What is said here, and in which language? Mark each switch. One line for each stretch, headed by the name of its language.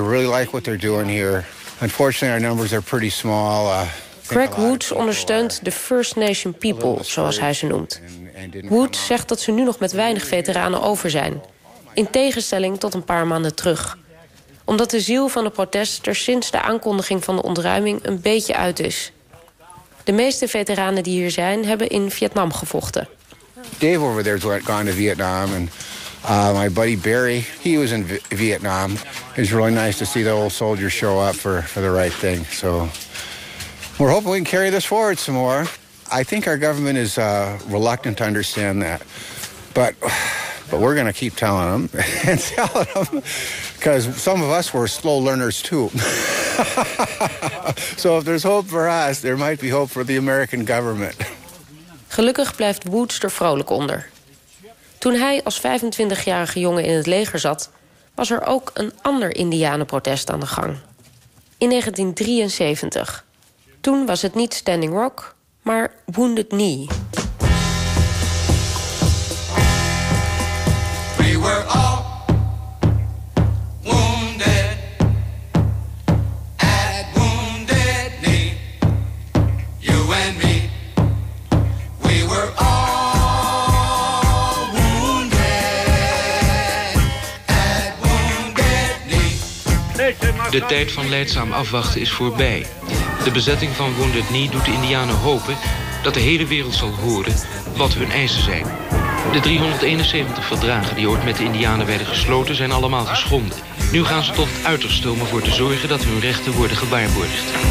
English: We really like what they're doing here. Unfortunately, our numbers are pretty small.
Dutch: Craig Woods ondersteunt de First Nation people, zoals hij ze noemt. Woods zegt dat ze nu nog met weinig veteranen over zijn, in tegenstelling tot een paar maanden terug. Omdat de ziel van de protest er sinds de aankondiging van de ontruiming een beetje uit is. De meeste veteranen die hier zijn, hebben in Vietnam gevochten.
English: Dave over there is gone to Vietnam. And my buddy Barry, he was in Vietnam. It was really nice to see the old soldiers show up for the right thing. So we're hoping we can carry this forward some more. I think our government is reluctant to understand that. But we're gonna keep telling them and telling them. Because some of us were slow learners too. So if there's hope for us, there might be hope for the American government.
Dutch: Gelukkig blijft Woods er vrolijk onder. Toen hij als 25-jarige jongen in het leger zat, was er ook een ander Indianenprotest aan de gang. In 1973. Toen was het niet Standing Rock, maar Wounded Knee.
English: were all wounded at Wounded Knee. You and me, we were all wounded at Wounded Knee.
Dutch: De tijd van lijdzaam afwachten is voorbij. De bezetting van Wounded Knee doet de Indianen hopen dat de hele wereld zal horen wat hun eisen zijn. De 371 verdragen die ooit met de Indianen werden gesloten zijn allemaal geschonden. Nu gaan ze tot het uiterste om ervoor te zorgen dat hun rechten worden gewaarborgd.